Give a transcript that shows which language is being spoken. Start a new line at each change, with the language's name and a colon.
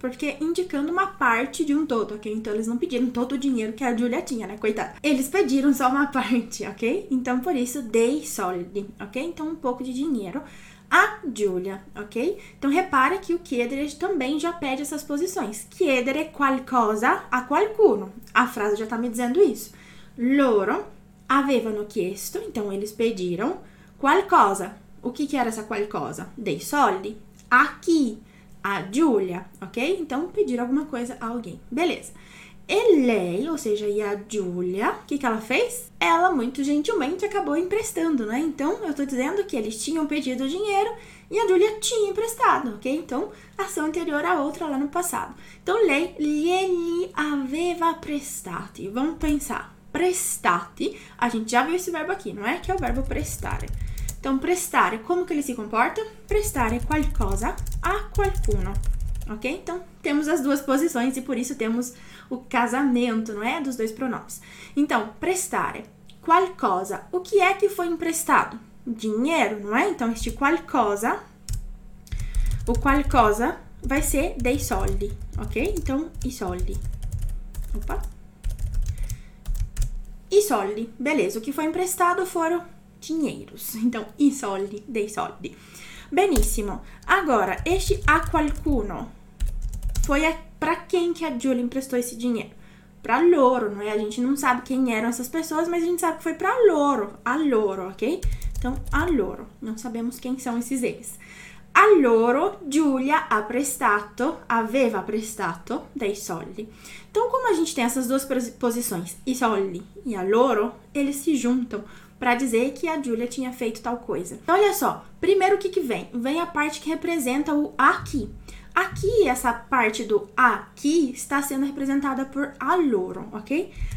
Portuguese: Porque indicando uma parte de um todo, ok? Então eles não pediram todo o dinheiro que a Giulia tinha, né? Coitada. Eles pediram só uma parte, ok? Então por isso
Italian: dei soldi,
Portuguese: ok? Então um pouco de dinheiro a Giulia, ok? Então repare que o chiedere também já pede essas posições.
Italian: Chiedere qualcosa a qualcuno.
Portuguese: A frase já tá me dizendo isso.
Italian: Loro avevano chiesto,
Portuguese: então eles pediram. Qualcosa. O que que era essa qualcosa?
Italian: Dei soldi.
Portuguese: Aqui. A Giulia. Ok? Então, pedir alguma coisa a alguém. Beleza. E lei, ou seja, e a Giulia, o que que ela fez? Ela, muito gentilmente, acabou emprestando, né? Então, eu tô dizendo que eles tinham pedido dinheiro e a Giulia tinha emprestado, ok? Então, ação anterior à outra lá no passado. Então,
Italian: lei gli aveva prestati.
Portuguese: Vamos pensar. Prestati. A gente já viu esse verbo aqui, não é? Que é o verbo prestare. Então, prestare, como que ele se comporta?
Italian: Prestare qualcosa a qualcuno. Ok?
Portuguese: Então, temos as duas posições e por isso temos o casamento, não é? Dos dois pronomes. Então,
Italian: prestare qualcosa.
Portuguese: O que é que foi emprestado? Dinheiro, não é? Então, este qualcosa, o qualcosa vai ser
Italian: dei soldi.
Portuguese: Ok? Então,
Italian: i soldi.
Portuguese: Opa!
Italian: I soldi.
Portuguese: Beleza, o que foi emprestado foram dinheiros. Então,
Italian: i soldi, dei soldi. Benissimo.
Portuguese: Agora, este a qualcuno foi para quem que a Julia emprestou esse dinheiro? Para loro, não é? A gente não sabe quem eram essas pessoas, mas a gente sabe que foi para loro.
Italian: A loro,
Portuguese: ok? Então, a loro. Não sabemos quem são esses eles.
Italian: A loro, Giulia ha prestato, aveva prestato dei soldi.
Portuguese: Então, como a gente tem essas duas posições,
Italian: i soldi e a loro,
Portuguese: eles se juntam para dizer que a Giulia tinha feito tal coisa. Então, olha só, primeiro o que que vem? Vem a parte que representa o aqui. Aqui, essa parte do aqui está sendo representada por a loro, ok?